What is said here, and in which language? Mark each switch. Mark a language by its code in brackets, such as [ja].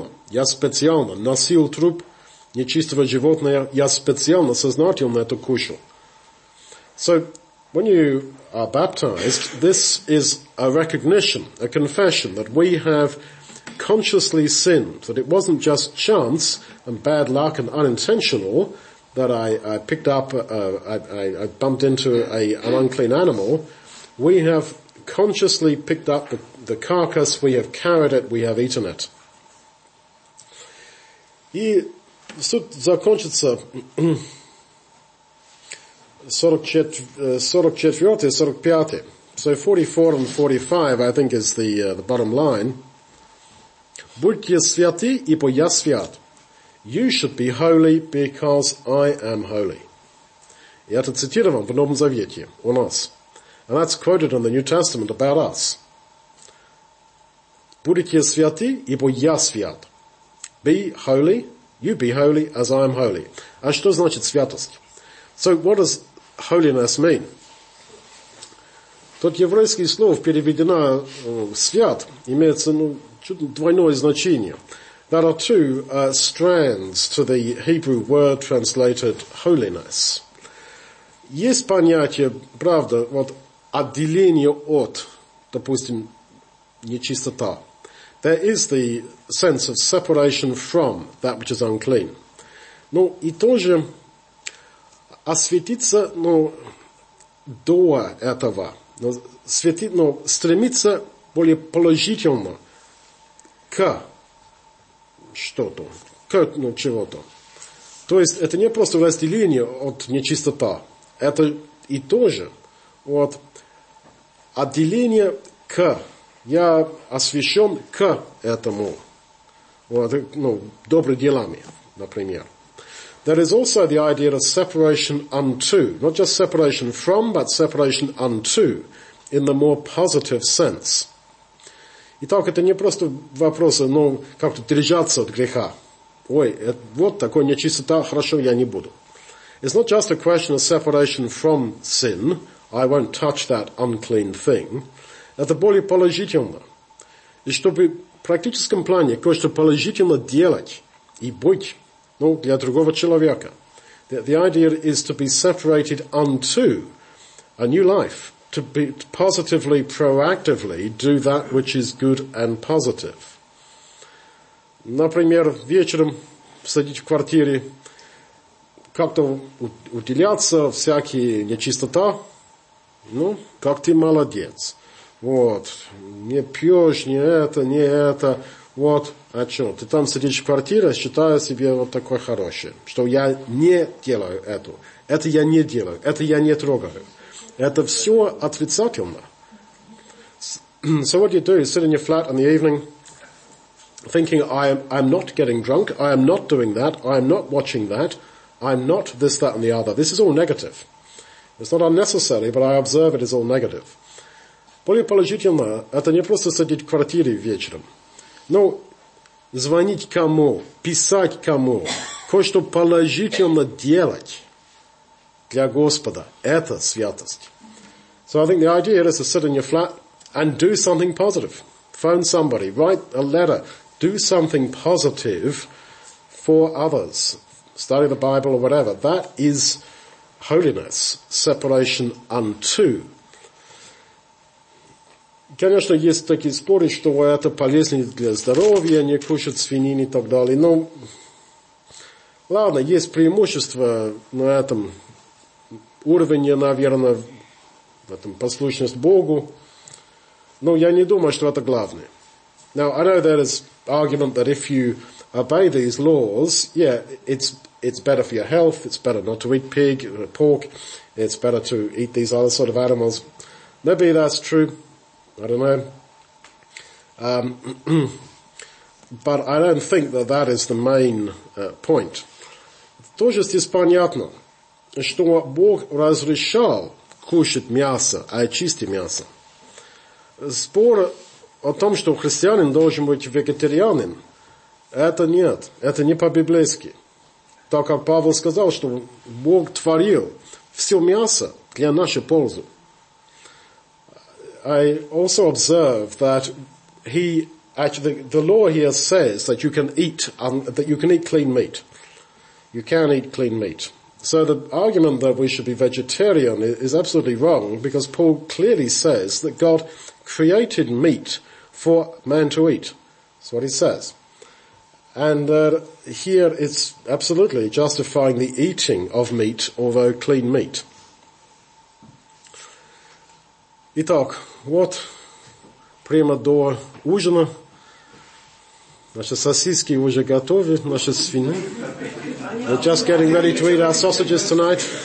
[ru] Я специально носил труп нечистого животного, я специально сознательно это кушал. [en] So, when you are baptized, this is a recognition, a confession, that we have consciously sinned, that it wasn't just chance and bad luck and unintentional that I bumped into an unclean animal. We have consciously picked up the carcass, we have carried it, we have eaten it. [ru] И суд закончится... 44-45. [en] So 44 and 45, I think, is the bottom line. [ru] Будьте святы, ибо я свят. [en] You should be holy because I am holy. [ru] И это цитировано в Новом Завете у нас. [en] And that's quoted in the New Testament about us. [ru] Будьте святы, ибо я свят. [en] Be holy, you be holy as I am holy. [ru] А что значит святость? [en] So what does holiness mean? [ru] Тот еврейский слово переведено свят, имеется чуть двойное значение. [en] There are two strands to the Hebrew word translated holiness. [ru] Есть понятие, правда, вот отделение от, допустим, нечистота. [en] There is the sense of separation from that which is unclean. [ru] Ну, и тоже осветиться, до этого, стремиться более положительно к что-то, к чего-то. То есть это не просто разделение от нечистота, это и тоже отделение к, я освящен к этому, добрыми делами, например. [en] There is also the idea of separation unto, not just separation from, but separation unto, in the more positive sense. [ru] Итак, это не просто вопрос, как-то держаться от греха. Ой, вот такое нечистота, хорошо, я не буду. [en] It's not just a question of separation from sin, I won't touch that unclean thing. [ru] Это более положительно. И чтобы в практическом плане кое-что положительно делать и быть, для другого человека. [en] The idea is to be separated unto a new life, to be positively, proactively do that which is good and positive. [ru] Например, вечером сидеть в квартире, как-то уделяться всякие нечистота, как ты молодец. Вот. Не пьешь, не это, не это. Вот. А что? Ты там сидишь в квартире, считаю себе вот такое хорошее. Что я не делаю это. Это я не делаю. Это я не трогаю. Это все отрицательно. [en] So what do you do? You sit in your flat in the evening thinking I'm not getting drunk. I am not doing that. I am not watching that. I'm not this, that and the other. This is all negative. It's not unnecessary, but I observe it is all negative. [ru] Более положительно, это не просто сидеть в квартире вечером. Ну, звонить кому, писать кому, кое-что положительно делать для Господа. Это святость. [en] So I think the idea here is to sit in your flat and do something positive. Phone somebody, write a letter, do something positive for others. Study the Bible or whatever. That is holiness, separation unto. [ru] Конечно, есть такие споры, что это полезнее для здоровья, не кушать свинины и так далее. Но, ладно, есть преимущество на этом уровне, наверное, в этом послушность Богу. Но я не думаю, что это главное. [en] Now, I know there is argument that if you obey these laws, yeah, it's better for your health, it's better not to eat pig or pork, it's better to eat these other sort of animals. Maybe that's true. I don't know. but I don't think that that is the main point. [ru] Тоже здесь понятно, что Бог разрешал кушать мясо, а чистое мясо. Спор о том, что христианин должен быть вегетарианин, это нет, это не по-библейски. Так как Павел сказал, что Бог творил все мясо для нашей пользы. [en] I also observe that he actually the law here says that you can eat clean meat. You can eat clean meat. So the argument that we should be vegetarian is absolutely wrong because Paul clearly says that God created meat for man to eat. That's what he says. And here it's absolutely justifying the eating of meat, although clean meat. [ru] Итак, вот прямо до ужина наши сосиски уже готовы, наши свиньи. [en] We're just getting ready to eat our sausages tonight.